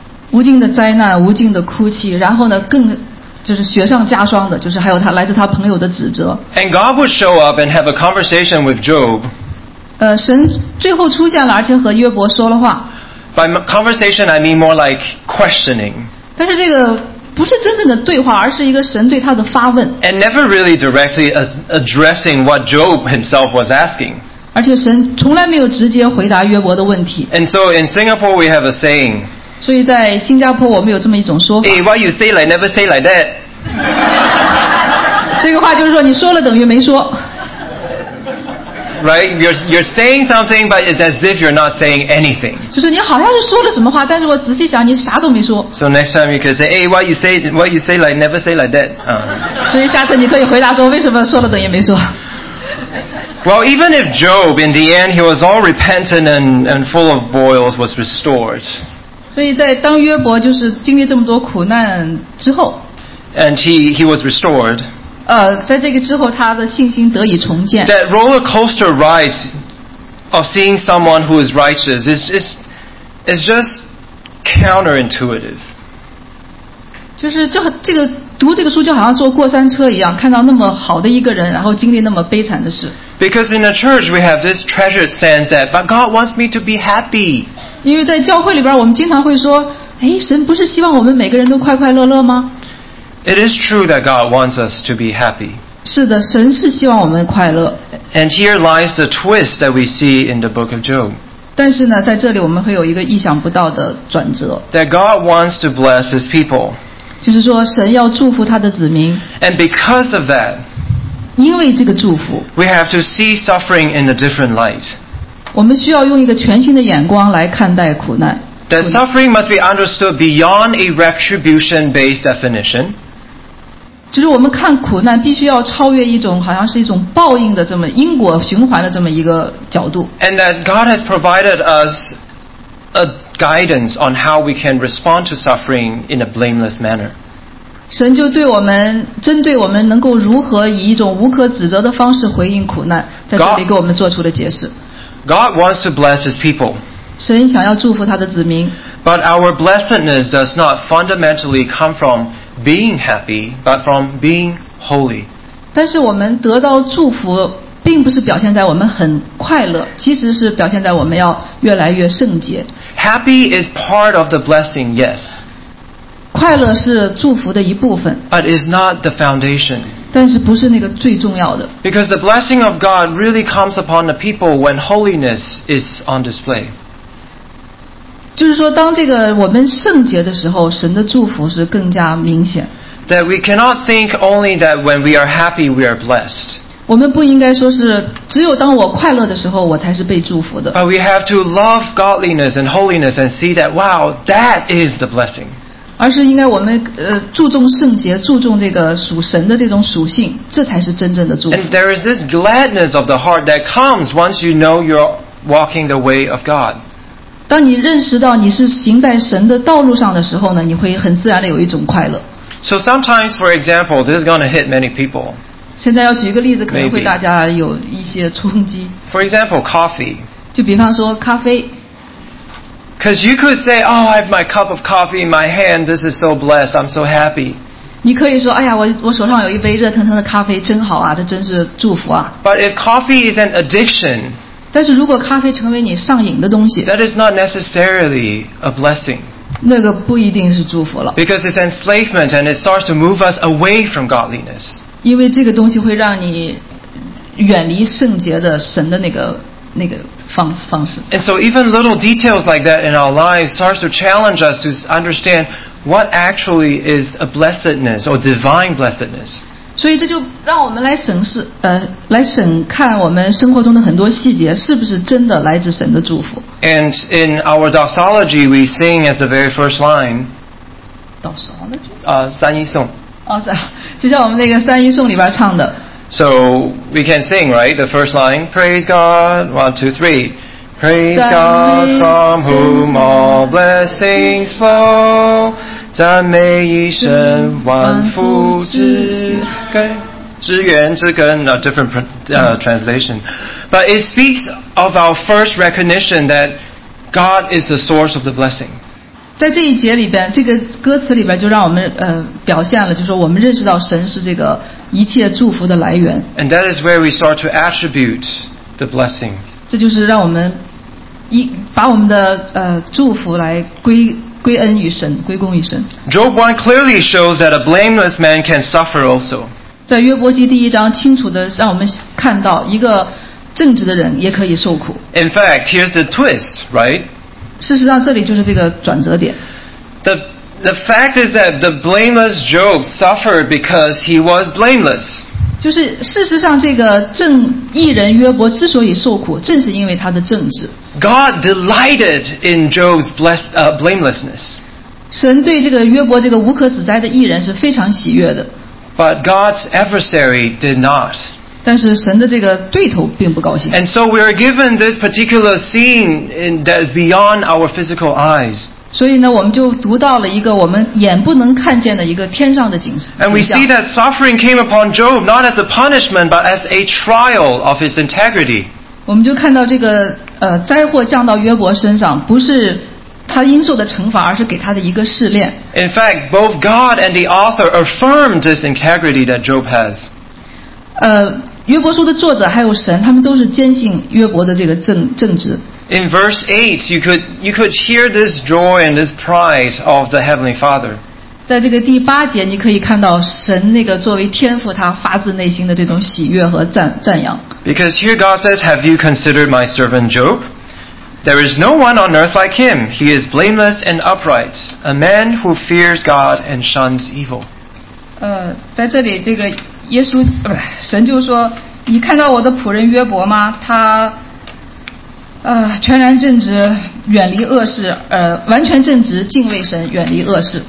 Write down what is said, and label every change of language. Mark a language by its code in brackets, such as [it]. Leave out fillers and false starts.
[zh] 无尽的灾难，无尽的哭泣，然后呢，更就是雪上加霜的，就是还有他来自他朋友的指责。 [en] And God would show up and have a conversation with Job. [zh] 神最后出现了，而且和约伯说了话。 [en] By conversation, I mean more like questioning. [zh] 但是这个。不是真正的对话，而是一个神对他的发问。 [en] And never really directly addressing what Job himself was asking. [zh] 而且神从来没有直接回答约伯的问题。 [en] And so in Singapore we have a saying. [zh] 所以在新加坡我们有这么一种说法。 [en] Hey, what you say like never say like that. [zh] 这个话就是说你说了等于没说。 [en] Right, you're saying something, but it's as if you're not saying anything. [zh] 就是你好像是说了什么话，但是我仔细想，你啥都没说。 [en] So next time you can say, "Hey, what you say, like never say like that." [zh] 所以下次你可以回答说，为什么说了等于没说。 [en] Well, even if Job, in the end, he was all repentant and full of boils, was restored. [zh] 所以在当约伯就是经历这么多苦难之后 [en] ，and he was restored. [zh] 在这个之后他的信心得以重建。 [en] That roller coaster ride of seeing someone who is righteous is just counterintuitive. [zh] 就是这个读这个书就好像坐过山车一样，看到那么好的一个人，然后经历那么悲惨的事。 [en] Because in the church we have this treasured sense that, but God wants me to be happy. [zh] 因为在教会里边我们经常会说，哎，神不是希望我们每个人都快快乐乐吗？ [en] It is true that God wants us to be happy. [zh] 是的，神是希望我们快乐。 [en] And here lies the twist that we see in the book of Job. [zh] 但是呢，在这里我们会有一个意想不到的转折。 [en] That God wants to bless His people. [zh] 就是说，神要祝福他的子民。 [en] And because of that, [zh] 因为这个祝福 [en] we have to see suffering in a different light. [zh] 我们需要用一个全新的眼光来看待苦难。 [en] That suffering must be understood beyond a retribution-based definition. [zh] 就是我们看苦难必须要超越一种好像是一种报应的这么因果循环的这么一个角度。 [en] And that God has provided us a guidance on how we can respond to suffering in a blameless manner. [zh] 神就对我们针对我们能够如何以一种无可指责的方式回应苦难，在这里给我们做出了解释。 [en] God wants to bless His people. [zh] 神想要祝福他的子民。 [en] But our blessedness does not fundamentally come from being happy, but from being holy. [zh] 但是我们得到祝福并不是表现在我们很快乐，其实是表现在我们要越来越圣洁。 [en] Happy is part of the blessing, yes. [zh] 快乐是祝福的一部分。 [en] But it's not the foundation. [zh] 但是不是那个最重要的。 [en] Because the blessing of God really comes upon the people when holiness is on display. [zh] 就是说当这个我们圣洁的时候神的祝福是更加明显 [en] that we cannot think only that when we are happy we are blessed [zh] 我们不应该说是只有当我快乐的时候我才是被祝福的 [en] but we have to love godliness and holiness and see that wow that is the blessing [zh] 而是应该我们注重圣洁注重这个属神的这种属性这才是真正的祝福 [en] and there is this gladness of the heart that comes once you know you're walking the way of God [zh] 当你认识到你是行在神的道路上的时候呢，你会很自然的有一种快乐。 [en] So sometimes, for example, this is going to hit many people. [zh] 现在要举一个例子，可能会大家有一些冲击。 [en] For example, coffee. [zh] 就比方说咖啡。 [en] Because you could say, "Oh, I have my cup of coffee in my hand. This is so blessed. I'm so happy." [zh] 你可以说，哎呀，我手上有一杯热腾腾的咖啡，真好啊，这真是祝福啊。 [en] But if coffee is an addiction. [zh] 但是如果咖啡成为你上瘾的东西 [en] That is not necessarily a blessing [zh] 那个不一定是祝福了 [en] Because it's enslavement and it starts to move us away from godliness [zh] 因为这个东西会让你远离圣洁的神的那个方式 [en] And so even little details like that in our lives starts to challenge us to understand what actually is a blessedness or divine blessedness [zh] 所以这就让我们来审视来审看我们生活中的很多细节是不是真的来自神的祝福 [en] And in our doxology we sing as the very first line Doxology? [zh] 三一颂就像我们那个三一颂里边唱的 [en] So we can sing right the first line Praise God 1, 2, 3 Praise God from whom all blessings flow [zh] 赞美一生万福之根之源之根 [en] a different translation but it speaks of our first recognition that God is the source of the blessing [zh] 在这一节里边这个歌词里边就让我们表现了就是说我们认识到神是这个一切祝福的来源 [en] and that is where we start to attribute the blessing [zh] 这就是让我们把我们的祝福来归恩于神，归功于神。 [en] Job 1 clearly shows that a blameless man can suffer also. [zh] 在约伯记第一章，清楚地让我们看到一个正直的人也可以受苦。 [en] In fact, here's the twist, right? [zh] 事实上，这里就是这个转折点。 [en] The fact is that the blameless Job suffered because he was blameless. [zh] 就是事实上，这个正义人约伯之所以受苦，正是因为他的正直。 [en] God delighted in Job's blamelessness. [zh] 神对这个约伯这个无可指摘的义人是非常喜悦的。 [en] But God's adversary did not. [zh] 但是神的这个对头并不高兴。 [en] And so we are given this particular scene that is beyond our physical eyes. [zh] 所以呢，我们就读到了一个我们眼不能看见的一个天上的景象。 [en] And we see that suffering came upon Job not as a punishment but as a trial of his integrity. [zh] 我们就看到这个灾祸降到约伯身上不是他应受的惩罚而是给他的一个试炼 [en] In fact, both God and the author affirmed this integrity that Job has [zh] 约伯书的作者还有神他们都是坚信约伯的这个正直 [en] In verse 8, you could hear this joy and this pride of the Heavenly Father [zh] 在这个第八节你可以看到神那个作为天父他发自内心的这种喜悦和赞扬 [en] Because here God says, Have you considered my servant Job? There is no one on earth like him. He is blameless and upright, a man who fears God and shuns evil. [zh] 在这里这个耶稣神就说你看到我的仆人约伯吗他全然正直，远离恶事，完全正直，敬畏神，远离恶事。